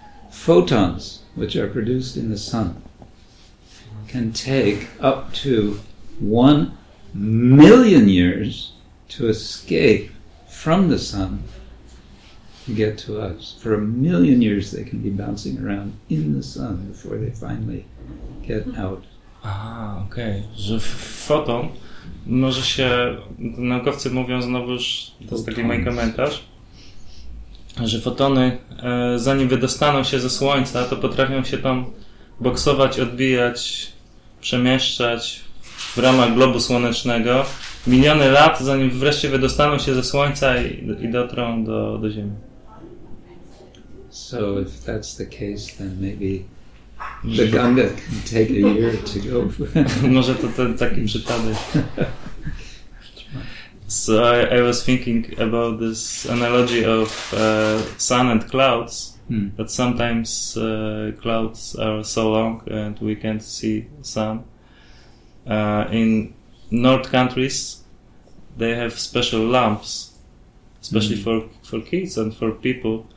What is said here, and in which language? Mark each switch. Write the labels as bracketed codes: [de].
[en] Photons, which are produced in the sun, can take up to 1 million years to escape from the sun to get to us. For 1 million years, they can be bouncing around in the sun before they finally get out. Ah, okay. The photon... [pl] Może się, naukowcy mówią znowuż, to jest taki mój komentarz, że fotony, zanim wydostaną się ze Słońca, to potrafią się tam boksować, odbijać, przemieszczać w ramach globu słonecznego miliony lat, zanim wreszcie wydostaną się ze Słońca i dotrą do Ziemi. [en] So if that's the case, then maybe the Ganga can take a year to go. [pl] Może to ten taki przypadek. [en] So I was thinking about this analogy of sun and clouds, that sometimes clouds are so long and we can't see sun. In North countries, they have special lamps, especially for kids and for people.